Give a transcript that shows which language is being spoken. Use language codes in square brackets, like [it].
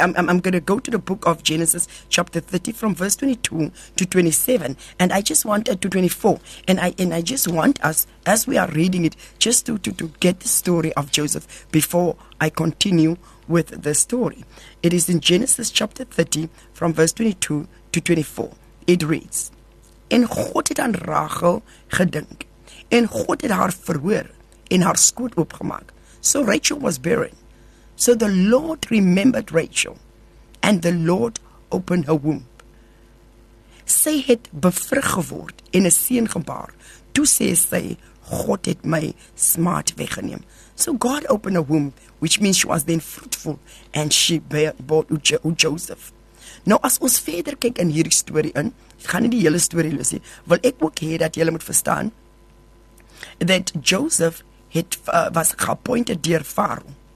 [en] I'm going to go to the book of Genesis chapter 30 from verse 22 to 27. And I just want to 24. And I just want us, as we are reading it, just to get the story of Joseph before I continue with the story. It is in Genesis chapter 30 from verse 22 to 24. It reads, [af] En God het aan Rachel gedink. En God het haar verhoor en haar skoot oopgemaak. [en] So Rachel was barren. So the Lord remembered Rachel, and the Lord opened her womb. [af] Sy het bevrug geword en 'n seun gebaar. Toe sê sy, God het my smaad weggeneem. [en] So God opened a womb, which means she was then fruitful, and she bore Joseph. [af] Nou, as ons verder kyk in hierdie story in, gaan nie die hele story los nie, wil ek ook hê dat julle moet verstaan, dat Joseph het, was geappointed deur Farao.